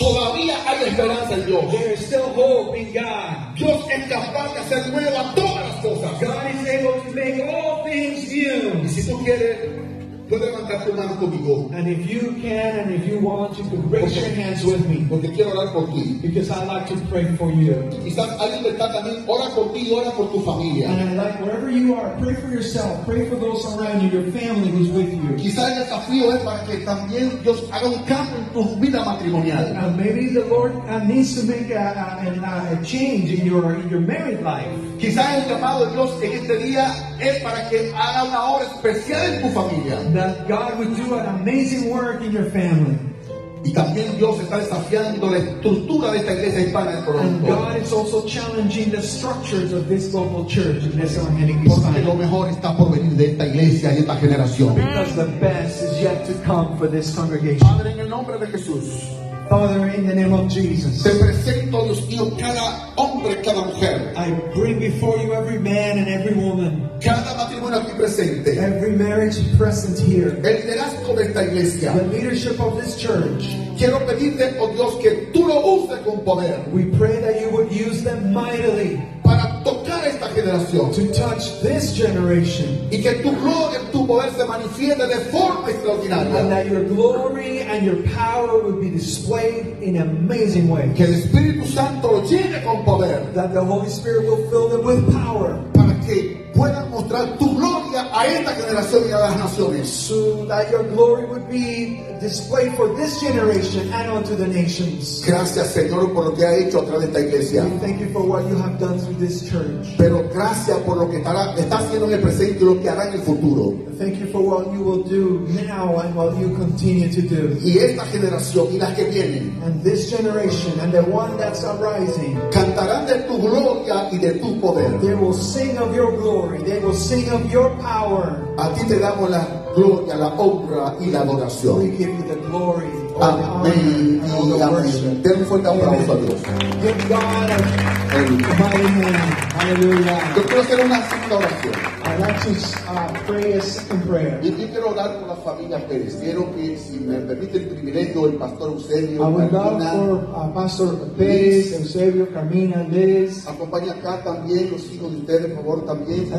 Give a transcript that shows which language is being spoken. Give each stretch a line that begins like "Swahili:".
Spanish: Todavía hay esperanza en Dios.
English: There is still hope in God.
Spanish: Dios es capaz de hacer nueva todas las cosas.
English: God is able to make all things new.
Spanish: Y si tú quieres, puede levantar tu mano conmigo.
English: And if you can and if you want, you can raise your hands with me.
Spanish: Porque quiero orar por ti.
English: Because I'd like to pray for you.
Spanish: Quizás alguien está también, ora por ti, ora por tu familia.
English: And I'd like, wherever you are, pray for yourself, pray for those around you, your family who's with you.
Spanish: Quizás el desafío es para que también Dios haga un cambio en tu vida matrimonial.
English: And maybe the Lord needs to make a change in your married life.
Spanish: Quizás el llamado de Dios en este día es para que haga una obra especial en tu familia.
English: That God would do an amazing work in your family.
Spanish: Y también Dios está desafiando la estructura de esta iglesia hispana en Toronto.
English: And God is also challenging the structures of this global church in this organic
Spanish: hispana. Porque lo mejor está por venir de esta iglesia y esta generación.
English: Because the best is yet to come for this congregation.
Spanish: Padre, en el nombre de Jesús.
English: Father, in the name of Jesus,
Spanish: te presento a Dios mío cada hombre, cada mujer.
English: I bring before you every man and every woman.
Spanish: Cada matrimonio aquí presente.
English: Every marriage present here.
Spanish: El liderazgo de esta iglesia.
English: The leadership of this church.
Spanish: Quiero pedirte, oh Dios, que tú lo uses con poder.
English: We pray that you would use them mightily.
Spanish: Para tocar esta generación.
English: To touch this generation.
Spanish: Y que tu gloria, tu poder se manifieste de forma extraordinaria.
English: And that your glory and your power would be displayed in an amazing way.
Spanish: Que el Espíritu Santo llene con poder.
English: That the Holy Spirit will fill them with power.
Spanish: Para que puedan mostrar tu gloria a esta generación y a las naciones.
English: So that your glory would be display for this generation and unto the nations.
Spanish: Gracias, Señor, por lo que ha hecho a través de esta iglesia.
English: We thank you for what you have done through this church.
Spanish: Pero gracias por lo que está haciendo en el presente y lo que hará en el futuro.
English: Thank you for what you will do now and what you continue to do.
Spanish: Y esta generación y las que vienen.
English: And this generation and the one that's arising.
Spanish: Cantarán de tu gloria y de tu poder.
English: They will sing of your glory. They will sing of your power.
Spanish: A ti te damos la gloria, la honra y la adoración.
English: We give you the glory, the honor, and all the worship. Give God a mighty hand. Hallelujah.
Spanish: Yo quiero hacer una segunda
English: oración. I'd like to pray a second prayer.
Spanish: Y quiero orar por las familias Pérez. Quiero que, si me permite el privilegio, el pastor Eusebio.
English: I would love for Pastor Pérez, Eusebio, Carmina, Liz.
Spanish: Acompaña acá también los hijos de ustedes, por favor, también.